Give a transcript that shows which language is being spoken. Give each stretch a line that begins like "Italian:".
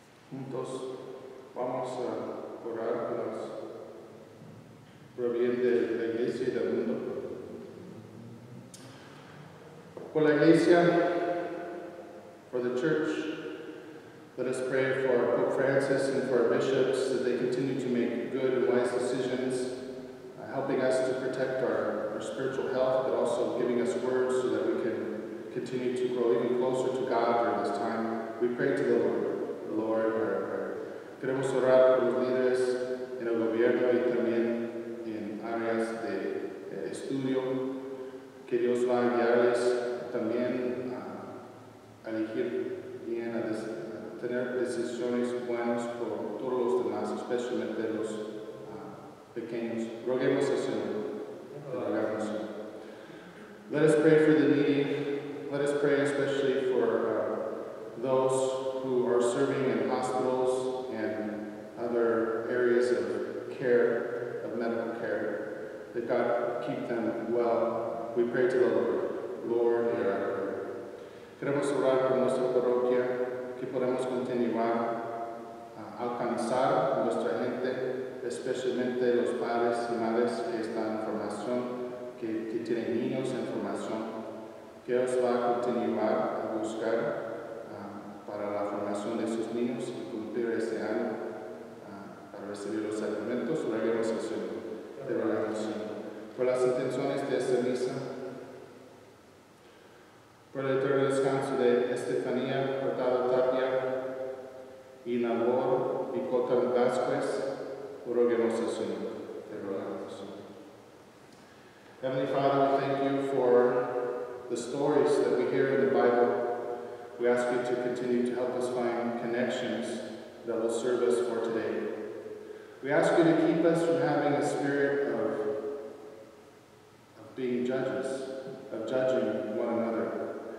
Spanish: Juntos vamos a orar por el bien de la iglesia y del mundo. Por la iglesia,
English: for the church, let us pray for Pope Francis and for our bishops that they continue to make good and wise decisions, helping us to protect our spiritual health, but also giving us words so that we can continue to grow even closer to God during this time. We pray to the Lord. Lord, our prayer.
Spanish: Queremos orar por los líderes en el gobierno y también en áreas de estudio, que Dios va a guiarles también a elegir bien, a tener decisiones buenas por todos los demás, especialmente los pequeños. Roguemos al Señor.
English: Let us pray for the needy. Let us pray especially for those who are serving in hospitals and other areas of care, of medical care, that God keep them well. We pray to the Lord. Lord, hear our prayer.
Spanish: Queremos orar por nuestra parroquia, que podamos continuar a alcanzar a nuestra gente, especialmente los padres y madres que están en formación, que tienen niños en formación. Que Dios va a continuar a buscar para la formación de sus niños y cumplir este año para recibir los sacramentos, oraremos al Señor. Te rogamos, Señor, por las intenciones de esta misa, por el eterno descanso de Estefanía Hurtado Tapia y Nabor y Cotán Vázquez, oraremos al Señor. Te rogamos, Señor.
English: Heavenly Father, we thank you for the stories that we hear in the Bible. We ask you to continue to help us find connections that will serve us for today. We ask you to keep us from having a spirit of being judges, of judging one another.